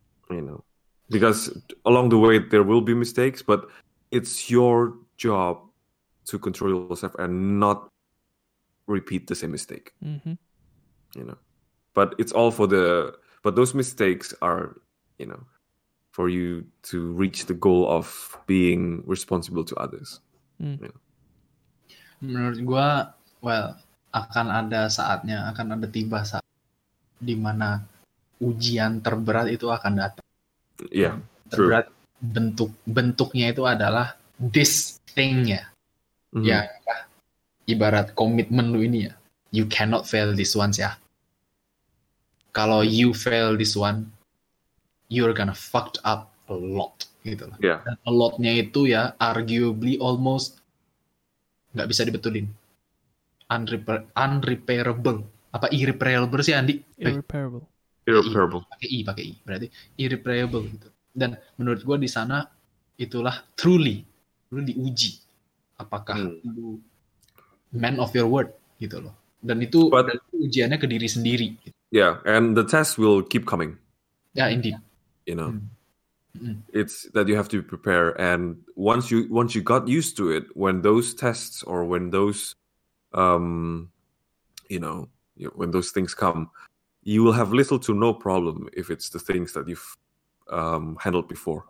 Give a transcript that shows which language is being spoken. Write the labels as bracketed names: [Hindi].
[English] You know, because along the way, there will be mistakes, but it's your job to control yourself and not repeat the same mistake. Mm-hmm. You know, but it's all for the, but those mistakes are, you know, for you to reach the goal of being responsible to others. Mm. You know? [Indonesian] Menurut gua, [English] well, [Indonesian] akan ada saatnya, akan ada tiba saat di mana ujian terberat itu akan datang. [English] Yeah, [Indonesian] terberat [English] true. [Indonesian] Bentuknya itu adalah [English] this thing-nya. [Indonesian] Mm-hmm. Ya, ibarat komitmen lu ini ya. [English] You cannot fail this one, [Indonesian] ya. Kalau [English] you fail this one, you're gonna fucked up a lot, [Indonesian] gitu lah. [English] Yeah. [Indonesian] Dan [English] a lot-nya [Indonesian] itu ya, [English] arguably almost [Indonesian] gak bisa dibetulin. Unrepairable. Apa irreparable sih, Andi? [English] Irreparable. Irreparable. [Indonesian] Pakai I, berarti irreparable gitu. Dan menurut gue di sana itulah [English] truly, [Indonesian] lu diuji. Apakah lu [English] man of your word, [Indonesian] gitu loh. Dan itu, [English] but, [Indonesian] dan itu ujiannya ke diri sendiri. Gitu. [English] Yeah, and the test will keep coming. Yeah, indeed. You know, it's that you have to prepare. And once you got used to it, when those tests or when those, you know, when those things come, you will have little to no problem if it's the things that you've handled before.